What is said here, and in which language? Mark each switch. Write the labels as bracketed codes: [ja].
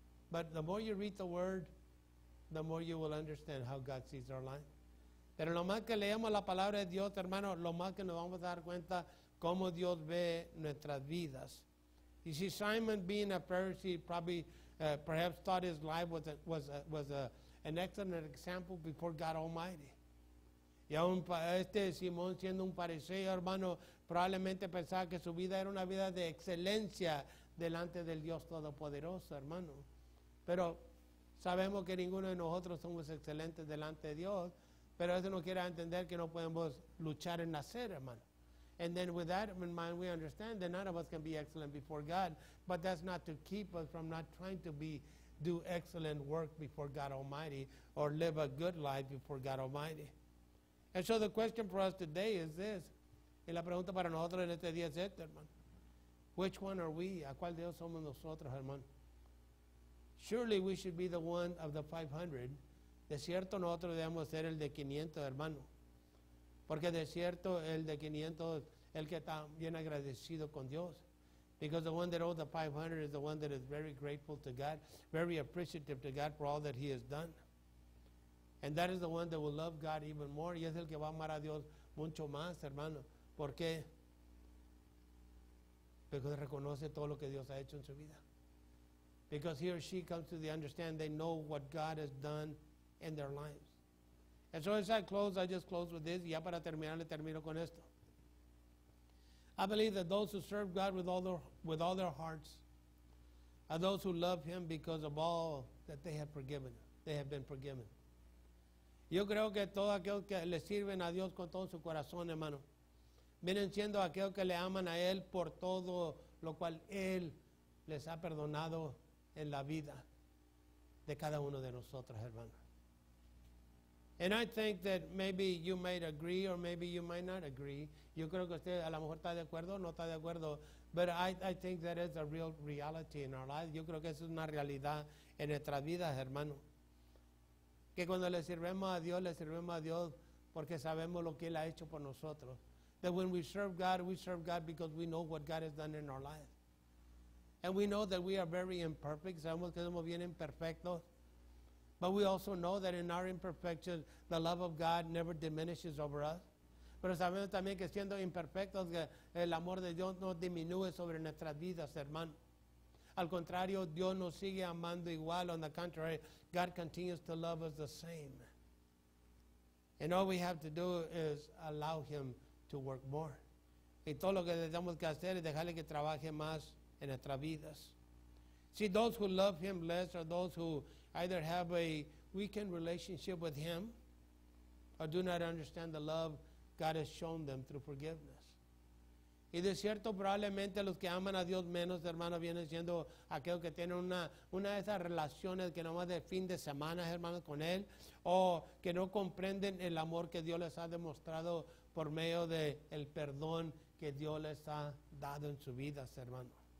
[en] But the more you read the word, the more you will understand how God sees our life. [es] Pero lo más que leemos la palabra de Dios, hermano, lo más que nos vamos a dar cuenta cómo Dios ve nuestras vidas. [en] You see, Simon, being a Pharisee, probably perhaps thought his life was an excellent example before God Almighty. [es] Y aún este Simón, siendo un fariseo, hermano, probablemente pensaba que su vida era una vida de excelencia delante del Dios Todopoderoso, hermano. Pero sabemos que ninguno de nosotros somos excelentes delante de Dios, pero eso no quiere entender que no podemos luchar en nacer, hermano. [en] And then with that in mind, we understand that none of us can be excellent before God, but that's not to keep us from not trying to do excellent work before God Almighty or live a good life before God Almighty. And so the question for us today is this. [es] Y la pregunta para nosotros en este día es esta, hermano. [en] Which one are we? [es] ¿A cuál Dios somos nosotros, hermano? [en] Surely we should be the one of the 500. [es] De cierto, nosotros debemos ser el de 500, hermano. Porque de cierto, el de 500, el que está bien agradecido con Dios. [en] Because the one that owes the 500 is the one that is very grateful to God, very appreciative to God for all that He has done. And that is the one that will love God even more. [es] Y es el que va a amar a Dios mucho más, hermano. ¿Por qué? [en] Because [es] reconoce todo lo que Dios ha hecho en su vida. [en] Because he or she comes to the understanding they know what God has done in their lives. And so as I close, I just close with this. [es] Ya para terminar, le termino con esto. [en] I believe that those who serve God with all their hearts are those who love Him because of all that they have been forgiven. [es] Yo creo que todos aquellos que le sirven a Dios con todo su corazón, hermano, vienen siendo aquellos que le aman a Él por todo lo cual Él les ha perdonado en la vida de cada uno de nosotros, hermano. [en] And I think that maybe you might agree or maybe you might not agree. [es] Yo creo que usted a lo mejor está de acuerdo o no está de acuerdo. [en] But I think that is a real reality in our lives. [es] Yo creo que eso es una realidad en nuestras vidas, hermano. Que cuando le sirvemos a Dios porque sabemos lo que Él ha hecho por nosotros. [en] That when we serve God because we know what God has done in our lives. And we know that we are very imperfect. [es] Sabemos que somos bien imperfectos. [en] But we also know that in our imperfection, the love of God never diminishes over us. [es] Pero sabemos también que siendo imperfectos, el amor de Dios no disminuye sobre nuestras vidas, hermano. Al contrario, Dios nos sigue amando igual. [en] On the contrary, God continues to love us the same. And all we have to do is allow Him to work more. [es] Y todo lo que tenemos que hacer es dejarle que trabaje más en nuestras vidas. [en] See, those who love Him less are those who either have a weakened relationship with Him or do not understand the love God has shown them through forgiveness. [es] Y de cierto, probablemente los que aman a Dios menos, hermanos, vienen siendo aquellos que tienen una de esas relaciones que nomás de fin de semana, hermanos, con Él, o que no comprenden el amor que Dios les ha demostrado por medio del perdón que Dios les ha dado en su vida, hermanos.